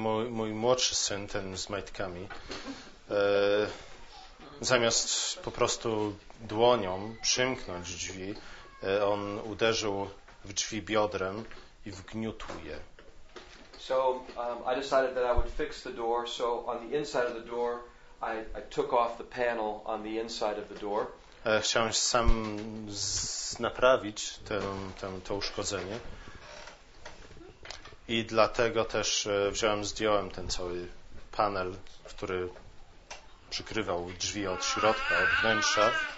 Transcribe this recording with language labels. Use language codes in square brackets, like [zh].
[pl] Mój młodszy syn, ten z majtkami, zamiast po prostu dłonią przymknąć drzwi, on uderzył w drzwi biodrem i wgniótł je. [en] So I decided that I would fix the door, so on the inside of the door I took off the panel on the inside of the door. [pl] Chciałem sam naprawić to uszkodzenie. I dlatego też zdjąłem ten cały panel, który przykrywał drzwi od środka, od wnętrza.